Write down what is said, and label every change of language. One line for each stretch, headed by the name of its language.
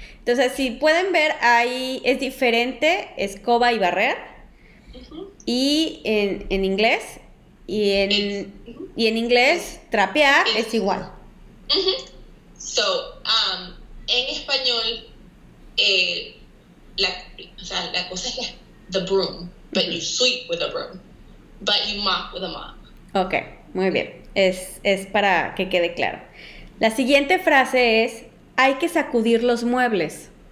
Spanish: Entonces, si pueden ver, ahí es diferente escoba y barrer. Uh-huh. Y en inglés, y en inglés, trapear es igual.
English: So,
Spanish: en español, la cosa es
English: the broom, but you sweep with a broom, but you mop with a mop.
Spanish: Ok, muy bien. Es para que quede claro. La siguiente frase es, hay que sacudir los muebles.